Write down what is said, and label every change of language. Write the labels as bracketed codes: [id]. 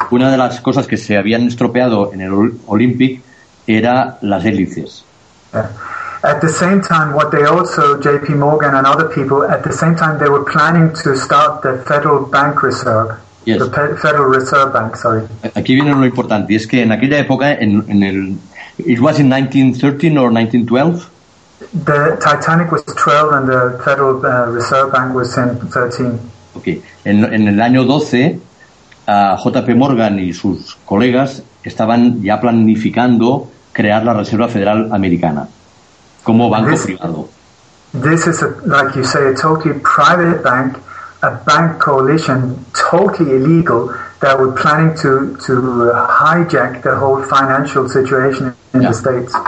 [es] Una de las cosas que se habían estropeado en el Olympic era las hélices. [en] Yeah. At the same time, what they also, J.P. Morgan and other people, at the same time they were planning to start the Federal Bank Reserve. Yes. The Federal Reserve Bank, sorry. [es] Aquí viene lo importante, es que en aquella época, [en] it was in 1913 or 1912? The Titanic was 12 and the Federal Reserve Bank was in 13. [es] Okay. En el año 12, J.P. Morgan y sus colegas estaban ya planificando crear la Reserva Federal Americana como banco privado. [en] This is, like you say, a totally private bank. A bank coalition, totally illegal, that were planning to hijack the whole financial situation in the States.